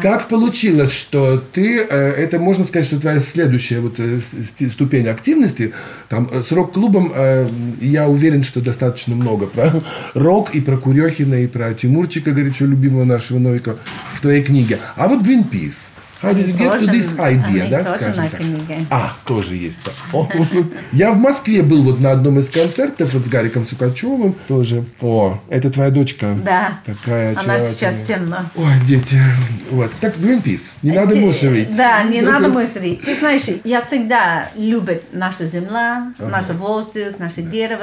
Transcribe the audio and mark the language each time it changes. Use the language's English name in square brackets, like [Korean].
[Russian] Как получилось, что ты, это можно сказать, что твоя следующая вот ступень, ступень активности, там, с рок-клубом, я уверен, что достаточно много про рок и про Курехина, и про Тимурчика, горячо любимого нашего Новикова, в твоей книге. А вот Greenpeace. [English] How did you get to this idea, [Russian] да, скажем так? А, тоже есть. Да. Я в Москве был вот на одном из концертов вот с Гариком Сукачевым тоже. О, это твоя дочка. Да. Такая очаровательная. Она сейчас темно. Ой, дети. Вот. Так, Greenpeace. Не надо мусорить. Да, не надо мусорить. Ты знаешь, я всегда любит наша земля, наш воздух, наше дерево.